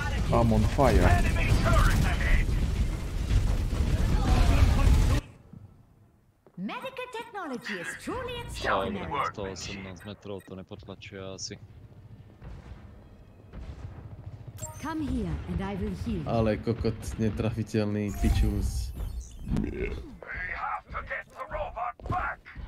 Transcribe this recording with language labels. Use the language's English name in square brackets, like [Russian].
[English] I'm on fire. Medical technology is truly extraordinary. [Slovak] Ja, 118 metrov, to nepotlačuje asi. [English] Come here and I will heal. [Slovak] Ale kokot netrafiteľný pičus. [English] We have to get the robot back.